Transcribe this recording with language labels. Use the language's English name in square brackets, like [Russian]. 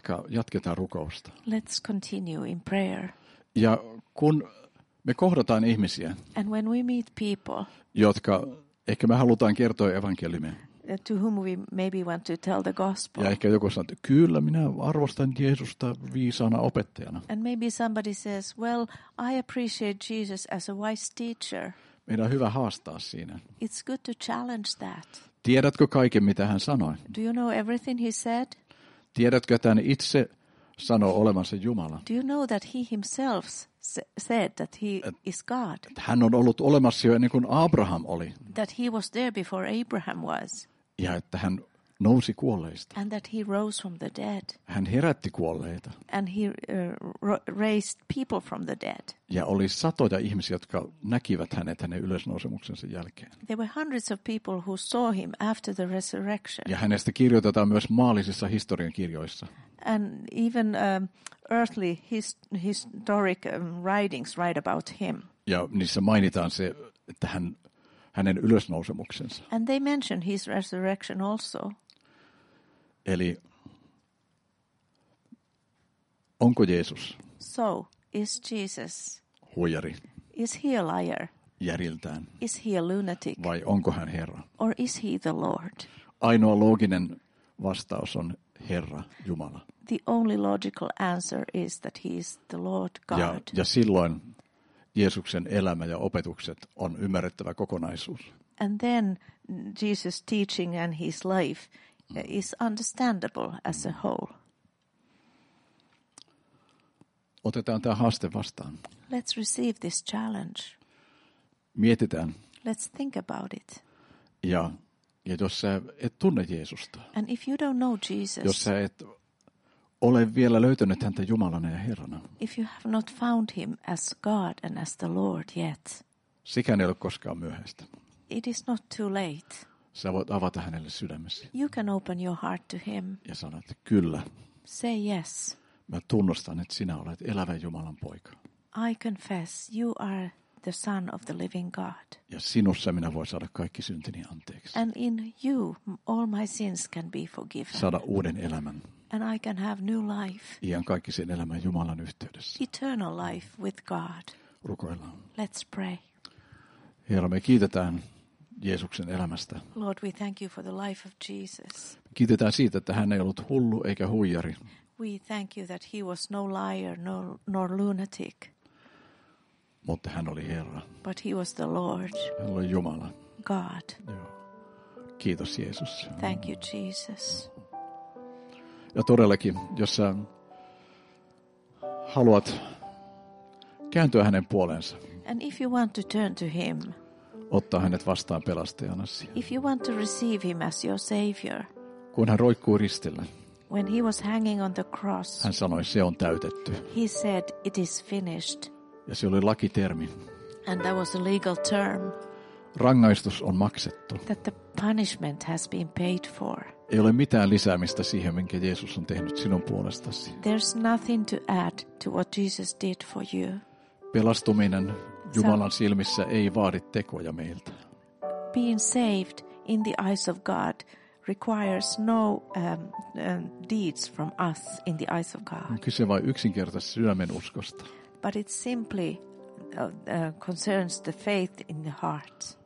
[Finnish] Jatketaan rukousta. [English] Let's continue in prayer. [Finnish] Ja kun me kohdataan ihmisiä, [English] and when we meet people, [Finnish] jotka ehkä me halutaan kertoa evankeliumia, [English] to whom we maybe want to tell the gospel. [Finnish] Ja ehkä joku sanoo, että kyllä, minä arvostan Jeesusta viisaana opettajana. [English] And maybe somebody says, well, I appreciate Jesus as a wise teacher. [Finnish] Meidän on hyvä haastaa siinä. [English] It's good to challenge that. [Finnish] Tiedätkö kaiken, mitä hän sanoi? [English] Do you know everything he said? [Finnish] Tiedätkö, että hän itse sanoo olevansa Jumala? [English] Do you know that he himself said that he is God. [Finnish] Hän on ollut olemassa jo ennen kuin Abraham oli. [English] That he was there before Abraham was. [Finnish] Ja että hän nousi kuolleista. [English] And that he rose from the dead. [Finnish] Hän herätti kuolleita. [English] And he raised people from the dead. [Finnish] Ja oli satoja ihmisiä, jotka näkivät hänet hänen ylösnousemuksensa jälkeen. [English] There were hundreds of people who saw him after the resurrection. [Finnish] Ja hänestä kirjoitetaan myös maallisissa historian kirjoissa. [English] And even earthly historic writings write about him. [Finnish] Ja niissä mainitaan se, että hänen ylösnousemuksensa. [English] And they mention his resurrection also. [Finnish] Eli onko Jeesus? [English] So, is Jesus? [Finnish] Huijari. [English] Is he a liar? [Finnish] Järjiltään. [English] Is he a lunatic? [Finnish] Vai onko hän Herra? [English] Or is he the Lord? [Finnish] Ainoa looginen vastaus on Herra, Jumala. [English] The only logical answer is that he is the Lord God. [Finnish] Ja silloin Jeesuksen elämä ja opetukset on ymmärrettävä kokonaisuus. [English] And then Jesus' teaching and his life is understandable as a whole. [Finnish] Otetaan tämä haaste vastaan. [English] Let's receive this challenge. [Finnish] Mietitään. [English] Let's think about it. [Finnish] Ja jos sä et tunne Jeesusta. [English] And if you don't know Jesus. [Finnish] Jos sä et ole vielä löytänyt häntä Jumalana ja Herrana. [English] If you have not found him as God and as the Lord yet. [Finnish] Sikään ei ole koskaan myöhäistä. [English] It is not too late. [Finnish] Sä voit avata hänelle sydämessä. [English] You can open your heart to him. [Finnish] Ja sanot, kyllä. [English] Say yes. [Finnish] Mä tunnustan, että sinä olet elävän Jumalan poika. [English] I confess you are the son of the living God. [Finnish] Ja sinussa minä voin saada kaikki syntini anteeksi. [English] And in you all my sins can be forgiven. [Finnish] Saada uuden elämän. [English] And I can have new life. [Finnish] Iän kaikkisen elämän Jumalan yhteydessä. [English] Eternal life with God. [Finnish] Rukoillaan. [English] Let's pray. [Finnish] Herra, me kiitetään Jeesuksen elämästä. [English] Lord, we thank you for the life of Jesus. [Finnish] Kiitetään siitä, että hän ei ollut hullu eikä huijari. [English] We thank you that he was no liar nor lunatic. [Finnish] Mutta hän oli Herra. [English] But he was the Lord. [Finnish] Hän oli Jumala. [English] God. [Finnish] Kiitos Jeesus. [English] Thank you Jesus. [Finnish] Ja todellakin, jos sä haluat kääntyä hänen puoleensa. [English] And if you want to turn to him. [Finnish] Ottaa hänet vastaan pelastajanasi. [English] If you want to receive him as your savior. [Finnish] Kun hän roikkuu ristillä. [English] When he was hanging on the cross. [Finnish] Hän sanoi, se on täytetty. [English] He said, it is finished. [Finnish] Ja se oli lakitermi. [English] And that was a legal term. [Finnish] Rangaistus on maksettu. [English] That the punishment has been paid for. [Finnish] Ei ole mitään lisäämistä siihen, minkä Jeesus on tehnyt sinun puolestasi. [English] There's nothing to add to what Jesus did for you. [Finnish] Pelastuminen Jumalan silmissä ei vaadi tekoja meiltä. [English] being saved in the eyes of God requires no deeds from us in the eyes of God. [Finnish] Kyse vain yksinkertaisesti sydämen uskosta. [English] But it simply concerns the faith in the heart.